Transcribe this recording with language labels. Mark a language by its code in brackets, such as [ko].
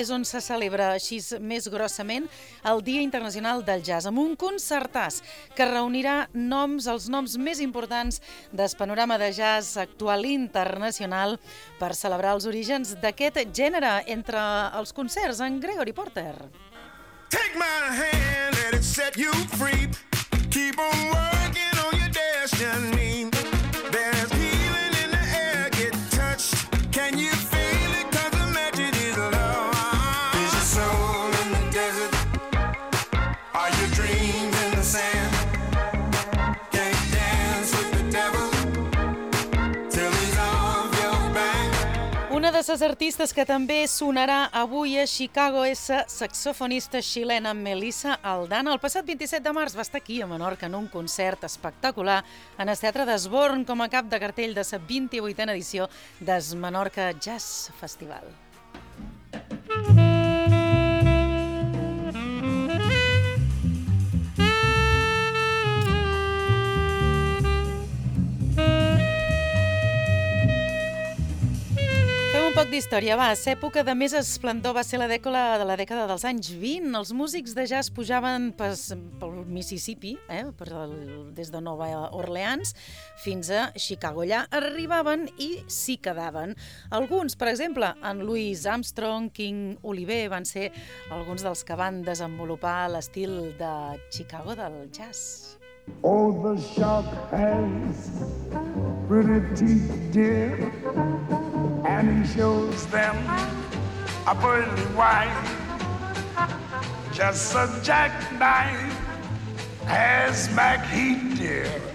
[ca] és on se celebra així més grossament el Dia Internacional del Jazz, amb un concertàs que reunirà noms, els noms més importants del panorama de jazz actual internacional per celebrar els orígens d'aquest gènere, entre els concerts en Gregory Porter. [en] Take my hand, let it set you free. Keep on working on your destiny. There's healing in the air, get touched. Can you feel it? 'Cause the magic is love. Is your soul in the desert? Are your dreams in the sand? Can you dance with the devil till he's off your back? [ca] Una de ses artistes que també sonarà avui a Chicago és la saxofonista xilena Melissa Aldana. El passat 27 de març va estar aquí a Menorca en un concert espectacular en el Teatre d'Esborn com a cap de cartell de la 28a edició del Menorca Jazz Festival. Poc d'història, va. L'època de més esplendor va ser la dècada dels anys 20. Els músics de jazz pujaven pel Mississippi, des de Nova Orleans fins a Chicago. Allà arribaven i s'hi quedaven. Alguns, per exemple, en Louis Armstrong, King Oliver, van ser alguns dels que van desenvolupar l'estil de Chicago del jazz. [en] Oh, the shark has pretty teeth, dear, and he shows them a pearly white. Just a jackknife has Mac Heath, dear.